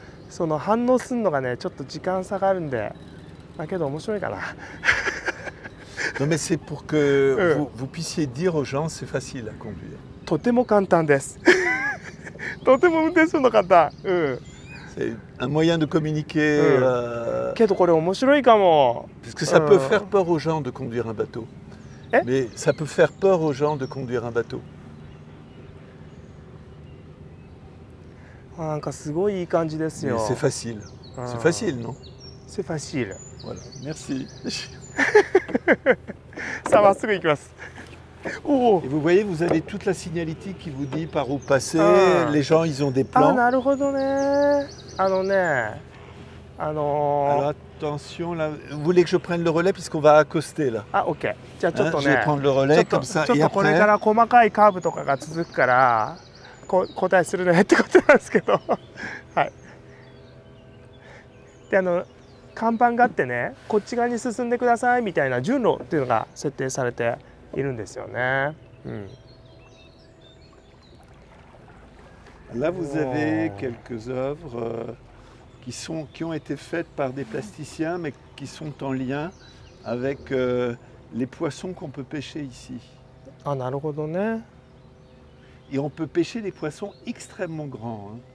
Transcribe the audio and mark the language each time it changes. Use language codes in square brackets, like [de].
[ja] その反応するのがね、ちょっと時間差があるんで、だけど面白いかな。 [fr] Non, mais c'est pour que vous puissiez dire aux gens c'est facile à conduire. [ja] とても簡単です。とても運転するの簡単。うん。 [fr] C'est un moyen de communiquer. [ja] けどこれ面白いかも。 [fr] Parce que ça peut faire peur aux gens de conduire un bateau. Mais ça peut faire peur aux gens de conduire un bateau. [ja] なんかすごいいい感じですよ。 [fr] C'est facile. C'est facile, non? C'est facile. Voilà. Merci. Ça va, [ja] すぐ行きます。 [fr] Et vous voyez, vous avez toute la signalétique qui vous dit par où passer. Les gens, ils ont des plans. [ja] Ah, なるほどね。あのね、 [fr] Alors attention, là. Vous voulez que je prenne le relais puisqu'on va accoster là? Ah, ok. [ja] じゃあちょっとね。 [fr] Je vais prendre le relais comme ça. [ja] ちょっとこれから細かいカーブとかが続くから。答えするねってことなんですけど、はい、で看板があってね、こっち側に進んでくださいみたいな順路っていうのが設定されているんですよね。 [fr] うん、Là, vous avez quelques œuvres qui sont qui ont été faites par des plasticiens, mais qui sont en lien avec les poissons qu'on peut pêcher ici. [ja] あ、なるほどね。 [fr] Et on peut pêcher des poissons extrêmement grands.